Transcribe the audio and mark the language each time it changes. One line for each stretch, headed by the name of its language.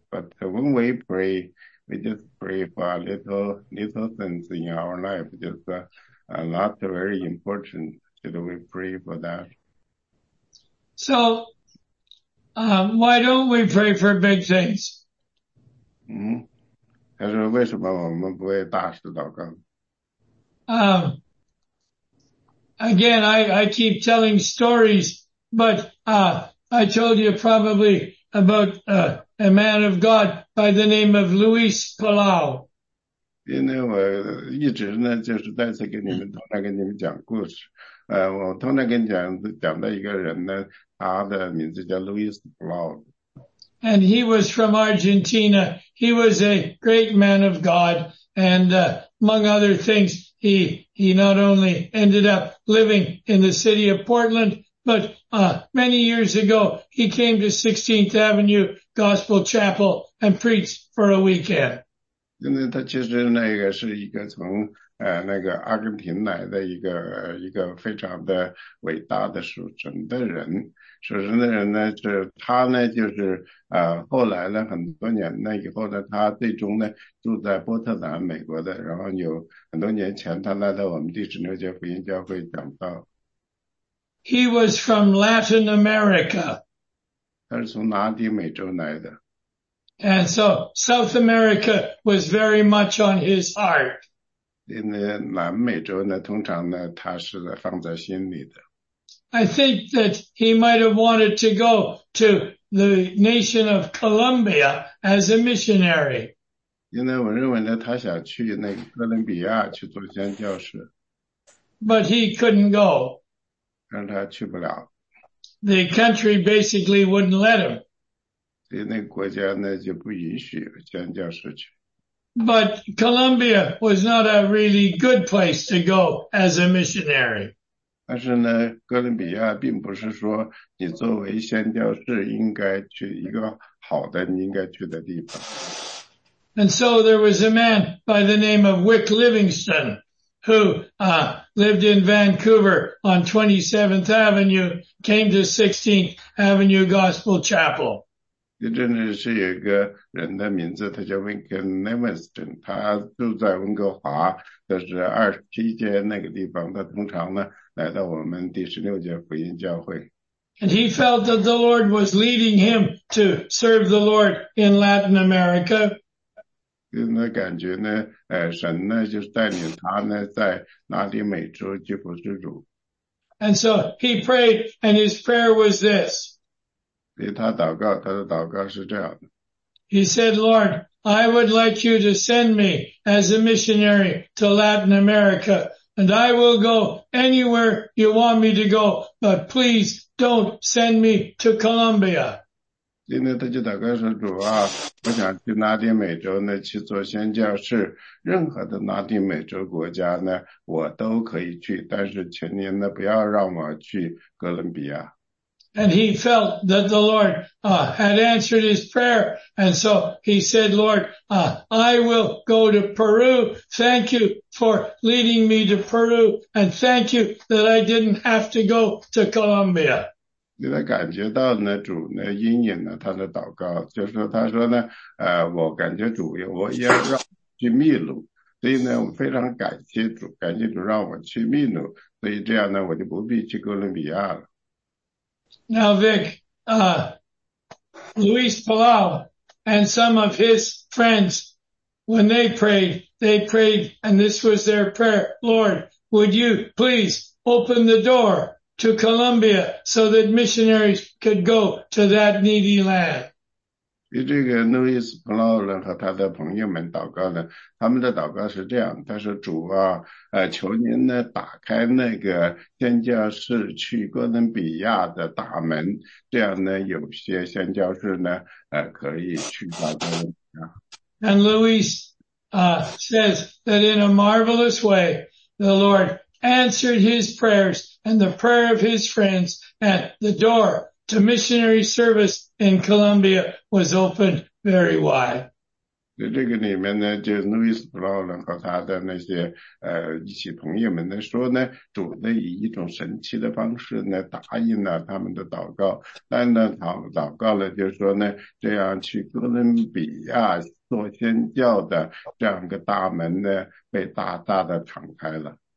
English: But when we pray, we just pray for little things in our life. Just not very important. Should we pray for that? So, why don't we pray for big things?
Chinese: 他说为什么我们不为大事祷告？
English: Again, I keep telling stories, but I told you probably about a man of God by the name of Luis Palau.
Chinese: 因为我一直呢，就是再次跟你们通常跟你们讲故事。我通常跟你讲到一个人呢，他的名字叫 Luis Palau.
English: And he was from Argentina. He was a great man of God, and among other things,He not only ended up living in the city of Portland, but many years ago, he came to 16th Avenue Gospel Chapel and preached for a weekend.
Chinese: 因为他其实那个是一个从那个阿根廷来的一个非常的伟大的属神的人。属神的人呢，是他呢，就是后来呢，很多年那以后呢，他最终呢住在波特兰，美国的。然后有很多年前，他来到我们第十六届福音教会讲道。
English: He was from Latin America.
Chinese: 他是从拉丁美洲来的。
English: And so South America was very much on his heart.
Chinese: 因为南美洲呢，通常呢，他是放在心里的。
English: I think that he might have wanted to go to the nation of Colombia as a missionary.
Chinese: 因为我认为呢，他想去那个哥伦比亚去做宣教士。
English: But he couldn't go.
Chinese: 但他去不了。
English: The country basically wouldn't let him.
Chinese: 所以那个国家呢就不允许宣教士去。
English: But Colombia was not a really good place to go as a missionary.
Chinese: 但是呢，哥伦比亚并不是说你作为宣教士应该去一个好的你应该去的地方。
English: And so there was a man by the name of Wick Livingston who lived in Vancouver on 27th Avenue, came to 16th Avenue Gospel Chapel.
Chinese: 这真的是有一个人的名字，他叫 Winken Livingston， 他住在温哥华，就是27街那个地方。他通常呢来到我们第十六届福音教会。
English: And he felt that the Lord was leading him to serve the Lord in Latin America.
Chinese: 那感觉呢，神呢就是带领他呢在拉丁美洲去服侍主。
English: And so he prayed, and his prayer was this.
Chinese: 对他祷告，他的祷告是这样的。
English: He said, Lord, I would like you to send me as a missionary to Latin America, and I will go anywhere you want me to go, but please don't send me to Colombia.
Chinese: 今天他就祷告说，主啊，我想去拉丁美洲呢，去做宣教士，任何的拉丁美洲国家呢，我都可以去，但是请您呢，不要让我去哥伦比亚。
English: And he felt that the Lord, had answered his prayer. And so he said, Lord, I will go to Peru. Thank you for leading me to Peru. And thank you that I didn't have to go to Colombia.
Chinese: 因为感觉到呢主呢阴影呢他的祷告。就是说他说呢我感觉主我要让我去秘鲁。所以呢我非常感谢主，感谢主让我去秘鲁。所以这样呢我就不必去哥伦比亚了。
English: Now, Vic, Luis Palau and some of his friends, when they prayed, and this was their prayer, Lord, would you please open the door to Colombia so that missionaries could go to that needy land?
Chinese: 与这个 Luis Palau 和他的朋友们祷告呢，他们的祷告是这样，他说主啊，求您呢打开那个宣教士去哥伦比亚的大门，这样呢有些宣教士呢可以去到哥伦比亚。
English: And Luis, says that in a marvelous way, the Lord answered his prayers and the prayer of his friends at the door. To missionary service in Colombia was opened very wide.
Chinese: 在这个里面呢，就 Louis Brown 和他的那些一起朋友们呢说呢，主呢以一种神奇的方式呢答应了他们的祷告，但呢祷告了就是说呢，这样去哥伦比亚做宣教的这样一个大门呢被大大的敞开了。